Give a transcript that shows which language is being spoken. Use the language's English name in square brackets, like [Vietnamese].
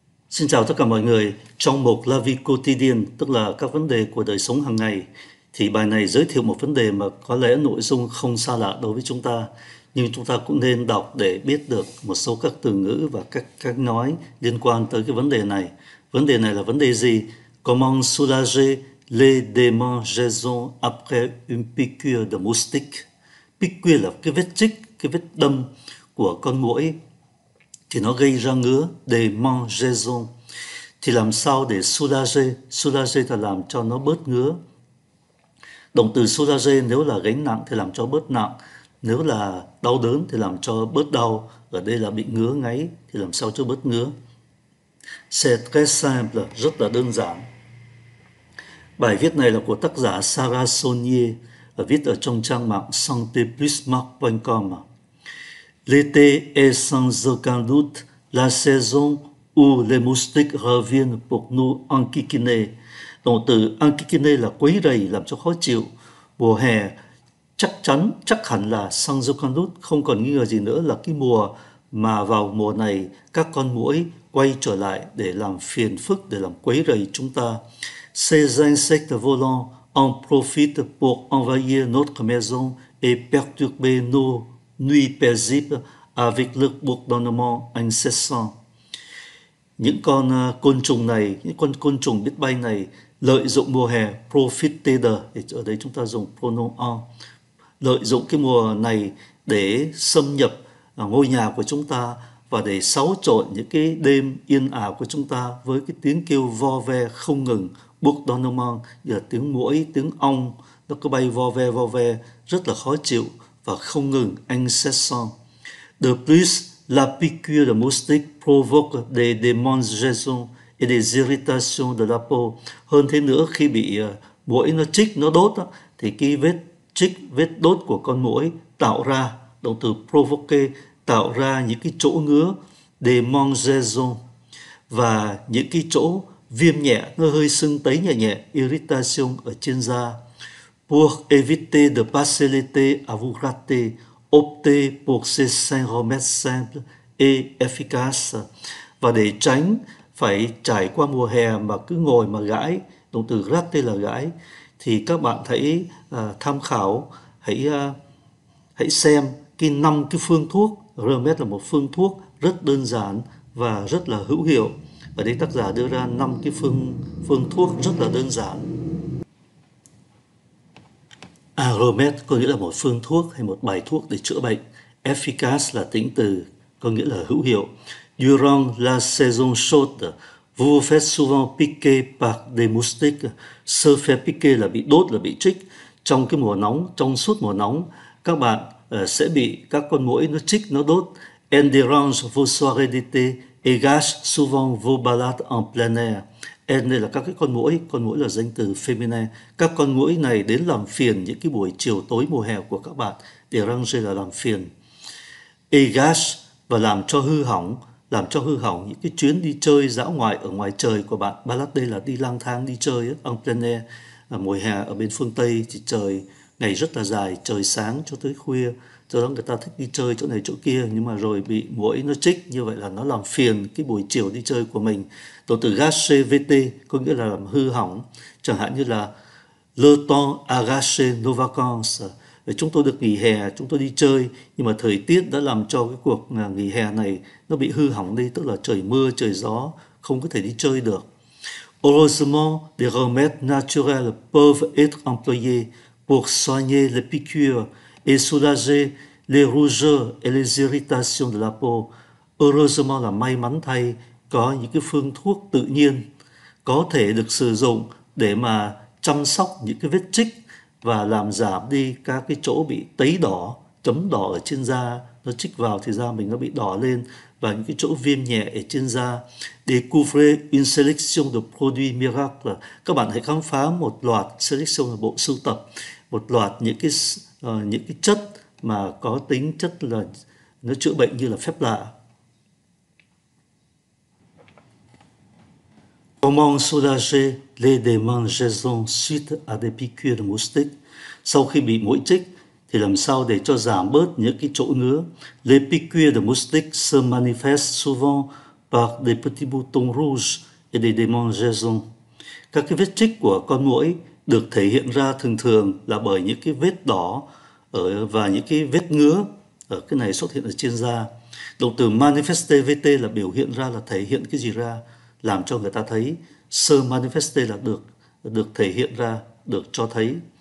[Vietnamese] Xin chào tất cả mọi người. Trong mục La Vie Quotidienne, tức là các vấn đề của đời sống hàng ngày, thì bài này giới thiệu một vấn đề mà có lẽ nội dung không xa lạ đối với chúng ta, nhưng chúng ta cũng nên đọc để biết được một số các từ ngữ và các cách nói liên quan tới cái vấn đề này. Vấn đề này là vấn đề gì? [French] Comment soulager les démangeaisons après une piqûre de moustique? [Vietnamese] Piqûre là cái vết chích, cái vết đâm của con muỗi, thì nó gây ra ngứa, démangeaison. Thì làm sao để soulager? Soulager là làm cho nó bớt ngứa. Động từ soulager nếu là gánh nặng thì làm cho bớt nặng, nếu là đau đớn thì làm cho bớt đau, ở đây là bị ngứa ngáy thì làm sao cho bớt ngứa. [French] C'est très simple, [Vietnamese] rất là đơn giản. Bài viết này là của tác giả Sarah Saunier, viết ở trong trang mạng santéplusmarque.com. [French] L'été est sans aucun doute la saison où les moustiques reviennent pour nous enquiquiner. [Vietnamese] Động từ enquiquiner là quấy rầy, làm cho khó chịu. Mùa hè chắc chắn, chắc hẳn là [French] sans aucun doute, [Vietnamese] không còn nghi ngờ gì nữa, là cái mùa mà vào mùa này các con muỗi quay trở lại để làm phiền phức, để làm quấy rầy chúng ta. [French] Ces insectes volants en profitent pour envahir notre maison et perturber nos nuit paisible avec le bourdonnement incessant. [Vietnamese] Những con côn trùng này, những con côn trùng biết bay này lợi dụng mùa hè, profiteder, ở đây chúng ta dùng pronom en, lợi dụng cái mùa này để xâm nhập ngôi nhà của chúng ta và để xáo trộn những cái đêm yên ả của chúng ta với cái tiếng kêu vo ve không ngừng, bourdonnement, giờ tiếng muỗi, tiếng ong nó cứ bay vo ve rất là khó chịu và không ngừng, incessant. [French] De plus, la piqûre de moustique provoque des démangeaisons et des irritations de la peau. [Vietnamese] Hơn thế nữa, khi bị muỗi nó chích, nó đốt, thì cái vết chích, vết đốt của con muỗi tạo ra, động từ provoque, tạo ra những cái chỗ ngứa, démangeaisons, và những cái chỗ viêm nhẹ, nó hơi sưng tấy nhẹ nhẹ, irritation ở trên da. [French] Pour éviter de passer l'été à vous gratter, optez pour ces cinq remèdes simples et efficaces. [Vietnamese] Và để tránh phải trải qua mùa hè mà cứ ngồi mà gãi, động từ gratter là gãi, thì các bạn hãy tham khảo, hãy xem cái năm cái phương thuốc. Remèdes là một phương thuốc rất đơn giản và rất là hữu hiệu. Ở đây tác giả đưa ra năm cái phương thuốc rất là đơn giản. Aromet có nghĩa là một phương thuốc hay một bài thuốc để chữa bệnh. Efficace là tính từ, có nghĩa là hữu hiệu. [French] Durant la saison chaude, vous vous faites souvent piquer par des moustiques. [Vietnamese] Se faire piquer là bị đốt, là bị chích. Trong cái mùa nóng, trong suốt mùa nóng, các bạn sẽ bị các con muỗi nó chích, nó đốt. [French] En dérange vos soirées d'été et gâche souvent vos balades en plein air. [Vietnamese] En là các cái con muỗi là danh từ feminine. Các con muỗi này đến làm phiền những cái buổi chiều tối mùa hè của các bạn. Dérange là làm phiền. Égage và làm cho hư hỏng những cái chuyến đi chơi dã ngoại ở ngoài trời của bạn. Balade là đi lang thang, đi chơi, [French] en plein air, [Vietnamese] mùa hè ở bên phương Tây thì trời ngày rất là dài, trời sáng cho tới khuya. Do đó người ta thích đi chơi chỗ này chỗ kia, nhưng mà rồi bị muỗi nó chích, như vậy là nó làm phiền cái buổi chiều đi chơi của mình. Động từ gâcher vt có nghĩa là làm hư hỏng, chẳng hạn như là [French] le temps a gâché nos vacances. [Vietnamese] Và chúng tôi được nghỉ hè, chúng tôi đi chơi, nhưng mà thời tiết đã làm cho cái cuộc nghỉ hè này nó bị hư hỏng đi, tức là trời mưa, trời gió, không có thể đi chơi được. [French] Heureusement, des remèdes naturels peuvent être employés pour soigner les piqûres et soulager les rougeurs et les irritations de la peau. [Vietnamese] Heureusement là may mắn thay, có những cái phương thuốc tự nhiên có thể được sử dụng để mà chăm sóc những cái vết chích và làm giảm đi các cái chỗ bị tấy đỏ, chấm đỏ ở trên da, nó chích vào thì da mình nó bị đỏ lên, và những cái chỗ viêm nhẹ ở trên da. [French] Découvrez une sélection de produits miracles. [Vietnamese] Các bạn hãy khám phá một loạt, selection là bộ sưu tập, một loạt những cái chất mà có tính chất là nó chữa bệnh như là phép lạ. [French] Comment soulager les démangeaisons suite à des piqûres de moustiques? [Vietnamese] Sau khi bị muỗi chích thì làm sao để cho giảm bớt những cái chỗ ngứa? [French] Les piqûres de moustiques se manifestent souvent par des petits boutons rouges et des démangeaisons. [Vietnamese] Các cái vết chích của con muỗi được thể hiện ra thường thường là bởi những cái vết đỏ ở và những cái vết ngứa ở cái này xuất hiện ở trên da. Động từ manifeste vt là biểu hiện ra, là thể hiện cái gì ra, làm cho người ta thấy. Sơ manifeste là được thể hiện ra, được cho thấy.